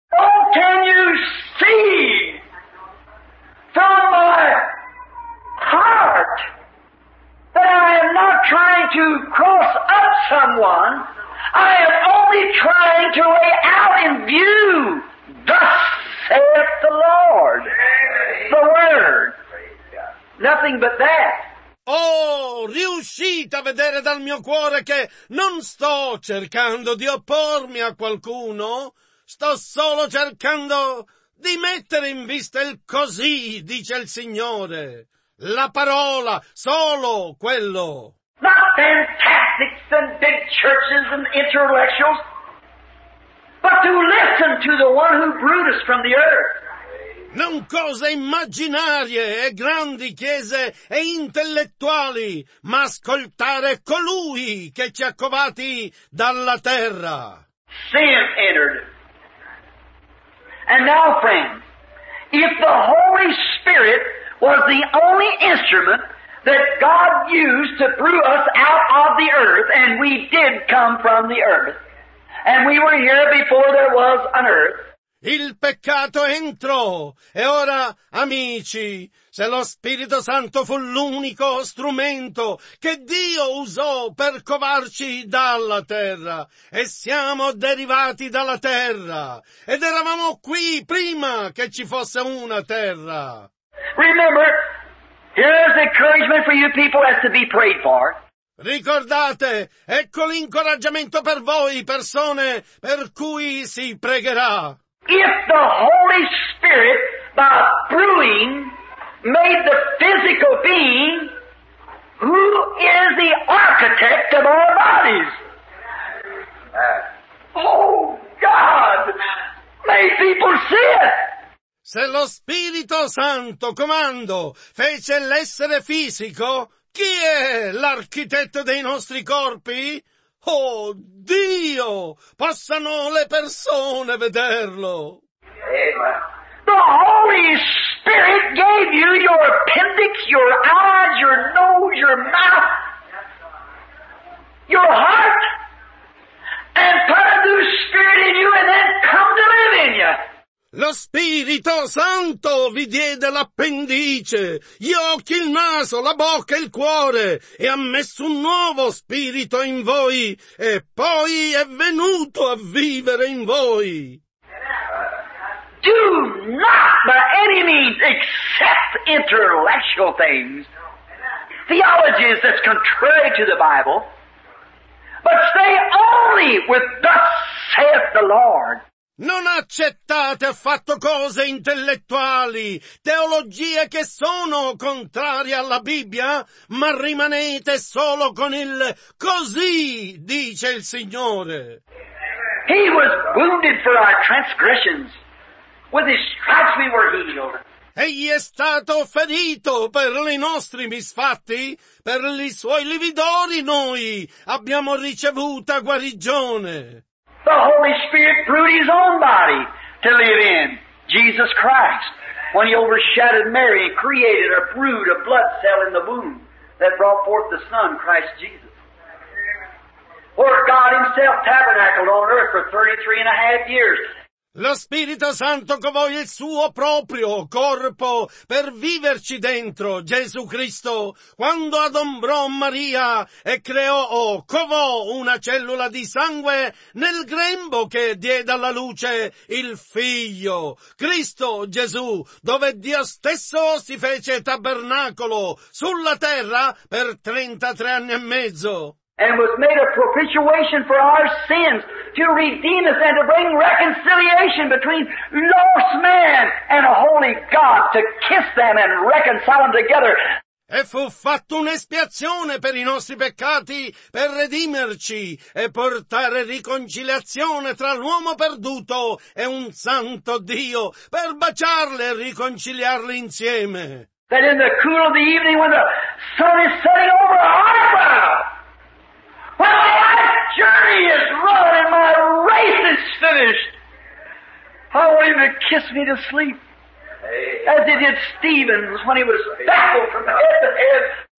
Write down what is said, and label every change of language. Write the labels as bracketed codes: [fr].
[en] Oh, can you see? From my heart, that I am not trying to cross up someone, I am only trying to lay out in view, thus saith the Lord, the Word. Nothing but that. [it] Oh, riuscite a vedere dal mio cuore che non sto cercando di oppormi a qualcuno, sto solo cercando di mettere in vista il così, dice il Signore. La parola, solo quello. [en] Not fantastic and big churches and intellectuals, but to listen to the one who brewed us from the earth. [it] Non cose immaginarie e grandi chiese e intellettuali, ma ascoltare colui che ci ha covati dalla terra. [en] Sin entered. And now, friend, if the Holy Spirit was the only instrument that God used to brew us out of the earth, and we did come from the earth, and we were here before there was an earth. [it] Il peccato entrò, e ora, amici, se lo Spirito Santo fu l'unico strumento che Dio usò per covarci dalla terra, e siamo derivati dalla terra, ed eravamo qui prima che ci fosse una terra. [en] Remember, here's the encouragement for you people has to be prayed for. [it] Ricordate, ecco l'incoraggiamento per voi persone per cui si pregherà. [en] If the Holy Spirit, by brewing, made the physical being, who is the architect of our bodies? Oh, God! May people see it! [it] Se lo Spirito Santo, comando, fece l'essere fisico, chi è l'architetto dei nostri corpi? Oh, Dio! Possano le persone vederlo! Amen. [en] The Holy Spirit gave you your appendix, your eyes, your nose, your mouth, your heart, and put a new spirit in you and then come to live in you! [it] Lo Spirito Santo vi diede l'appendice, gli occhi, il naso, la bocca, il cuore, e ha messo un nuovo spirito in voi, e poi è venuto a vivere in voi. [en] Do not by any means accept intellectual things, theologies that's contrary to the Bible, but stay only with thus saith the Lord. [it] Non accettate affatto cose intellettuali, teologie che sono contrarie alla Bibbia, ma rimanete solo con il così, dice il Signore. [en] He was wounded for our transgressions. With his stripes we were healed. [it] Egli è stato ferito per i nostri misfatti, per i suoi lividori noi abbiamo ricevuta guarigione. [en] The Holy Spirit brought his own body to live in, Jesus Christ, when he overshadowed Mary and created a brood, a blood cell in the womb that brought forth the Son, Christ Jesus. Where God himself tabernacled on earth for 33.5 years. [it] Lo Spirito Santo covò il suo proprio corpo per viverci dentro, Gesù Cristo, quando adombrò Maria e creò o covò una cellula di sangue nel grembo che diede alla luce il Figlio, Cristo Gesù, dove Dio stesso si fece tabernacolo sulla terra per 33.5 anni. [en] And was made a propitiation for our sins to redeem us and to bring reconciliation between lost man and a holy God, to kiss them and reconcile them together. [it] E fu fatto un'espiazione per i nostri peccati per redimerci e portare riconciliazione tra l'uomo perduto e un santo Dio, per baciarle e riconciliarle insieme. [en] That in the cool of the evening when the sun is setting over our brow, when my journey is run and my race is finished, I want him to kiss me to sleep, as he did Stephen's when he was baffled from head to head.